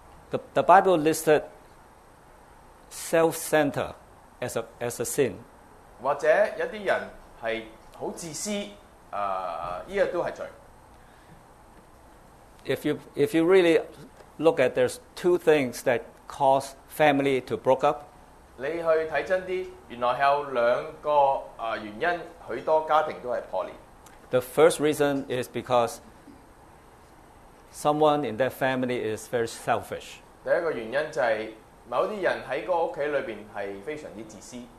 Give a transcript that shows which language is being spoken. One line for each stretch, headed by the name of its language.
English: The Bible listed self-centered as a sin。
Cantonese: 或者一啲人係好自私，依個都係罪。
English: If you really look at, there's two things that cause family to break up。
Cantonese: 你去睇真啲，原來係有兩個原因，許多家庭都係破裂。
English: The first reason is because someone in that family is very selfish。
Cantonese: 第一個原因就係某啲人喺個屋企裏邊係非常之自私。